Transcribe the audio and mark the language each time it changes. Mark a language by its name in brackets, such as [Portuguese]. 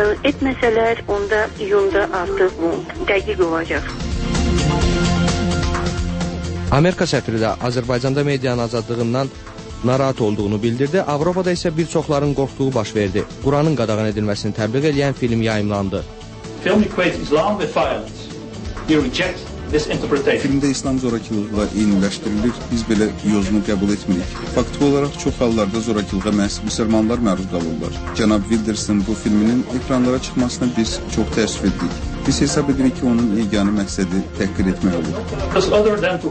[Azerbaijani] Etməsələr, onda iyunda artıq bu dəqiq olacaq. Amerika səfiri də Azərbaycanda medianın azadlığından narahat olduğunu bildirdi, Avropada isə bir çoxların qorxduğu baş verdi. Quranın qadağan edilməsini təbliğ edən film yayımlandı. [English] Film equates Islam with violence. You reject this interpretation. [Azerbaijani] Filmdə İslam zorakılığa eyniləşdirilir, biz belə yozunu qəbul etmirik. Faktik olaraq çox hallarda zorakılığa məhz müsəlmanlar məruz qalırlar. Cənab Wildersin bu filminin ekranlara çıxmasına biz çox təəssüf edirik. Biz hesab edirik ki, onun yeganə məqsədi təhqir etmək olur.